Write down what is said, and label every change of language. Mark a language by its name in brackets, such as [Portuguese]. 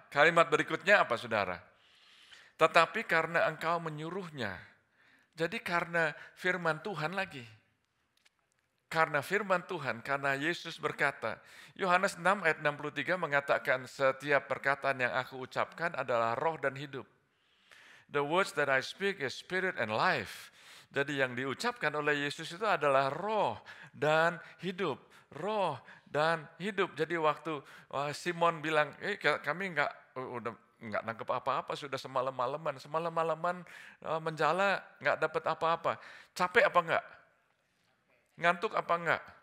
[Indonesian] Kalimat berikutnya apa, saudara? Tetapi karena engkau menyuruhnya, jadi karena firman Tuhan lagi. Karena firman Tuhan, karena Yesus berkata, Yohanes 6 ayat 63 mengatakan, setiap perkataan yang aku ucapkan adalah roh dan hidup. [English] The words that I speak is spirit and life. [Indonesian] Jadi yang diucapkan oleh Yesus itu adalah roh dan hidup. Roh dan hidup. Jadi waktu Simon bilang, kami enggak nangkep apa-apa, sudah semalam-malaman. Semalam-malaman menjala, enggak dapat apa-apa. Capek apa enggak? Ngantuk apa enggak?